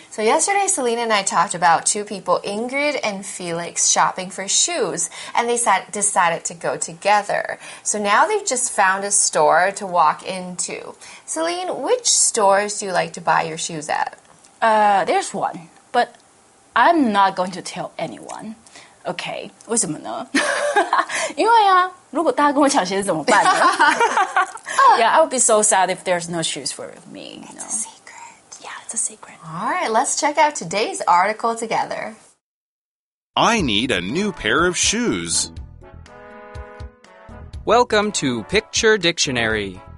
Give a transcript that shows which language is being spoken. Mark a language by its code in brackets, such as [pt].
[en] So yesterday, Celine and I talked about two people, Ingrid and Felix, shopping for shoes, and they decided to go together. So now they've just found a store to walk into. Celine, which stores do you like to buy your shoes at? There's one, but I'm not going to tell anyone. [zh] Okay, 为什么呢？因为啊，如果大家跟我抢鞋子怎么办呢？ [en] Yeah, I would be so sad if there's no shoes for me. It's a secret. All right, let's check out today's article together. I need a new pair of shoes. Welcome to Picture Dictionary.